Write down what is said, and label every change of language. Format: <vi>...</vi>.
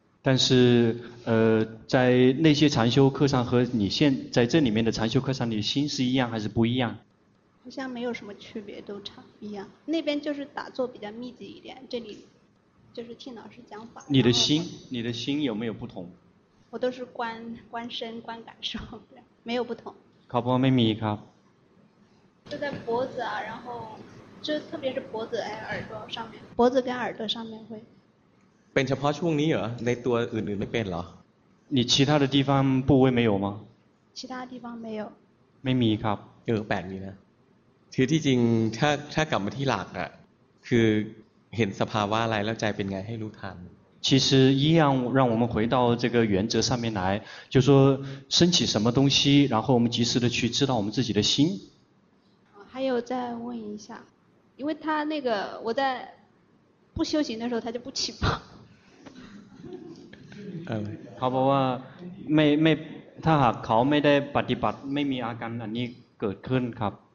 <zh>但是在那些禅修课上和你现在这里面的禅修课上你心是一样还是不一样好像没有什么区别都差一样那边就是打坐比较密集一点这里就是听老师讲法你的心有没有不同我都是观身观感受没有不同考不好没米一考就在脖子啊然后就特别是脖子哎耳朵上面脖子跟耳朵上面会</zh> <th>เป็นเฉพาะช่วงนี้เหรอในตัวอื่นๆไม่เป็นเหรอ</th> <zh>你其他的地方部位没有吗其他地方没有</zh> <th>ไม่มีครับ เออแปลกดีนะคือที่จริงถ้ากลับมาที่หลักอ่ะคือเห็นสภาวะอะไรแล้วใจเป็นไงให้รู้ทัน</th> <zh>其实一样让我们回到这个原则上面来就说升起什么东西然后我们及时的去知道我们自己的心还有再问一下因为他那个我在不修行的时候他就不起泡</zh> <th>เขาบอกว่าไม่ถ้าหากเขาไม่ได้ปฏิบัติไม่มีอาการอันนี้เกิดขึ้นครับ</th>